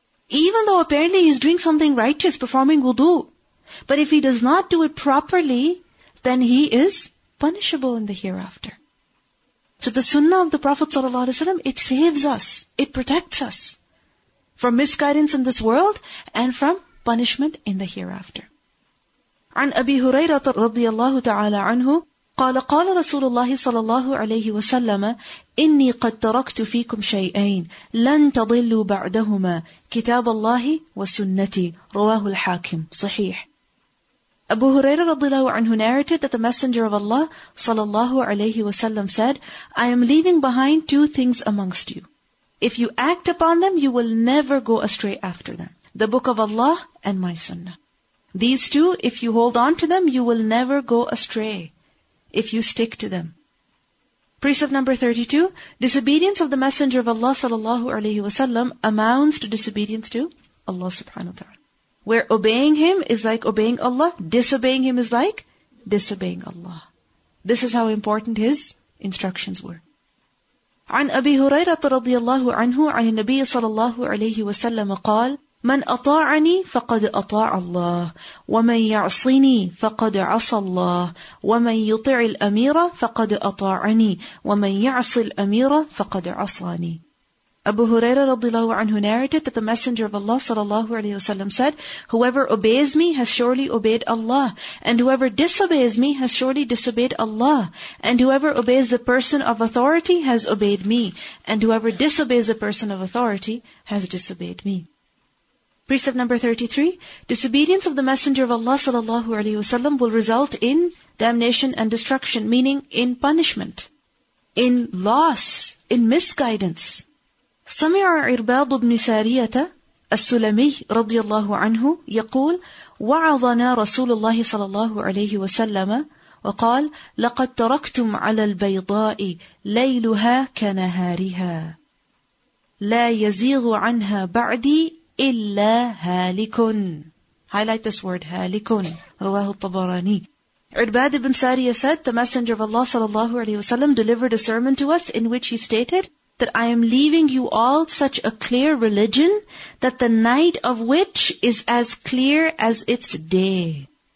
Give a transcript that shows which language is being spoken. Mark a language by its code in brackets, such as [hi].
[en] Even though apparently he's doing something righteous, performing wudu. But if he does not do it properly, then he is punishable in the hereafter. So the sunnah of the Prophet ﷺ, it saves us, it protects us from misguidance in this world and from punishment in the hereafter. [ar] عن أبي هريرة رضي الله تعالى عنه قال قال رسول الله صلى الله عليه وسلم إني قد تركت فيكم شيئين لن تضلوا بعدهما كتاب الله وسنتي رواه الحاكم صحيح. [en] Abu Huraira radhiyallahu anhu narrated that the Messenger of Allah sallallahu alayhi wasallam said, I am leaving behind two things amongst you. If you act upon them, you will never go astray after them. The Book of Allah and my Sunnah. These two, if you hold on to them, you will never go astray if you stick to them. Precept number 32, disobedience of the Messenger of Allah sallallahu alayhi wasallam amounts to disobedience to Allah subhanahu wa ta'ala. Where obeying him is like obeying Allah, disobeying him is like disobeying Allah. This is how important his instructions were. [ar] عن أبي هريرة رضي الله عنه عن النبي صلى الله عليه وسلم قال من أطاعني فقد أطاع الله ومن يعصني فقد عصى الله ومن يطع الأميرة فقد أطاعني ومن يعص الأميرة فقد عصاني. [en] Abu Huraira radhiyallahu anhu narrated that the Messenger of Allah sallallahu alayhi wasallam said, whoever obeys me has surely obeyed Allah, and whoever disobeys me has surely disobeyed Allah, and whoever obeys the person of authority has obeyed me, and whoever disobeys the person of authority has disobeyed me. Precept number 33, disobedience of the Messenger of Allah sallallahu alayhi wasallam will result in damnation and destruction, meaning in punishment, in loss, in misguidance. [ar] سمع عرباض بن سارية السلمي رضي الله عنه يقول وعظنا رسول الله صلى الله عليه وسلم وقال لقد تركتم على البيضاء ليلها كنهارها لا يزيغ عنها بعدي إلا هالك. [en] Highlight this word, هالك. [ar] رواه الطبراني. [en] عرباض بن سارية said, the Messenger of Allah [ar] صلى الله عليه وسلم [en] delivered a sermon to us in which he stated that I am leaving you all such a clear religion that the night of which is as clear as its day.